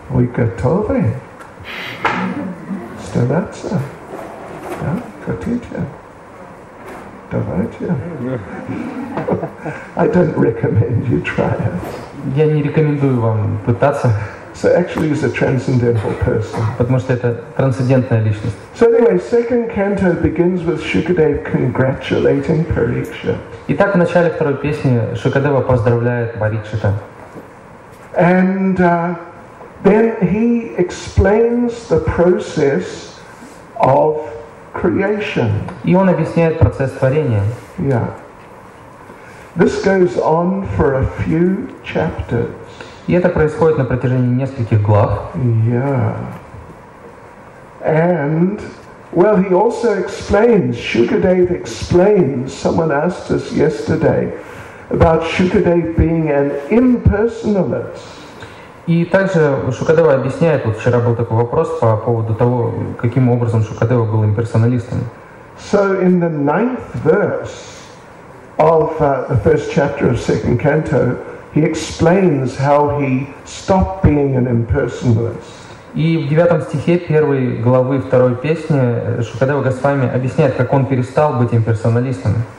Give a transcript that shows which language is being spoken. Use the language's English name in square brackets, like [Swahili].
[English] We got over it. Still that's it. Yeah, got it. [Russian] Давайте. [English] I don't recommend you try it. [Russian] Я не рекомендую вам пытаться. [English] So actually, he's a transcendental person. [Russian] Потому что это трансцендентная личность. [English] So anyway, second canto begins with Shukadev congratulating Parikshit. [Russian] Итак, в начале второй песни Шукадева поздравляет Парикшита. [English] And then he explains the process of creation. [Russian] И он объясняет процесс творения. [English] Yeah. This goes on for a few chapters. [Russian] И это происходит на протяжении нескольких глав. [English] Yeah. And well, he also explains. Shukadev explains. Someone asked us yesterday about Shukadev being an impersonalist. [Russian] И также Шукадева объясняет. Вот вчера был такой вопрос по поводу того, каким образом Шукадева был имперсоналистом. [English] So in the ninth verse of the first chapter of second canto. He explains how he stopped being an impersonalist. [Russian] И в девятом стихе первой главы второй песни Шукадева Госвами объясняет, как он перестал быть имперсоналистом.